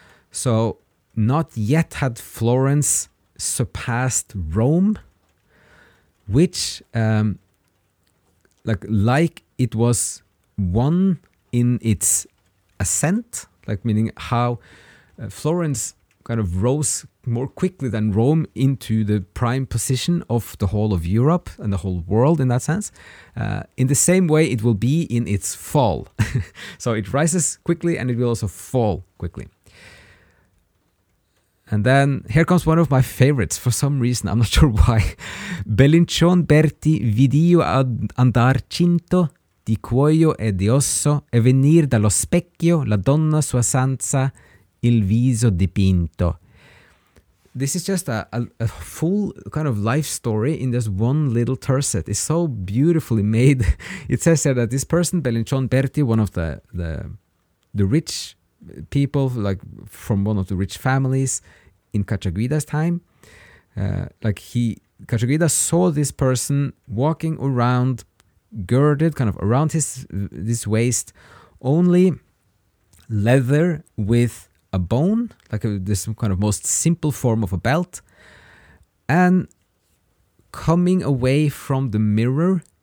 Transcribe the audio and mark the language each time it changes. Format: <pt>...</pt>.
<en>So, not yet had Florence surpassed Rome, which, like it was won in its ascent, like meaning how Florence kind of rose more quickly than Rome into the prime position of the whole of Europe and the whole world in that sense. In the same way, it will be in its fall. So it rises quickly and it will also fall quickly. And then here comes one of my favorites for some reason. I'm not sure why.</en> <it>Belincion Berti vidio andar cinto di cuoio e di osso e venir dallo specchio la donna sua sanza il viso dipinto.</it> <en>This is just a full kind of life story in this one little tercet. It's so beautifully made. It says here that this person, Belincion Berti, one of the rich people, like from one of the rich families, in Kachagrida's time, Kachagrida saw this person walking around, girded kind of around this waist, only leather with a bone, this kind of most simple form of a belt, and coming away from the mirror,</en>